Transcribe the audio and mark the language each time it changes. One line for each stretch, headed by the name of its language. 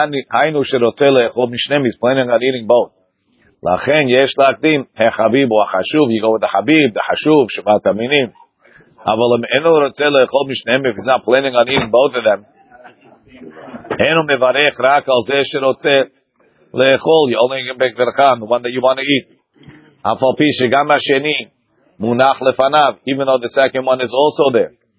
Hebrew: היינו שרוצה לאכול משניהם,
English: he's planning on eating both.
Hebrew: לכן יש להקדים, החביב הוא החשוב,
English: you go with the
Hebrew: חביב, the חשוב, שבעת המינים. אבל אם אינו רוצה לאכול משניהם,
English: if he's not planning on eating both of them,
Hebrew: אינו מברך רק על זה שרוצה לאכול,
English: you only can make ברכה, the one that you want to eat.
Hebrew: אף על פי שגם השני מונח לפניו,
English: even though the second one is also there.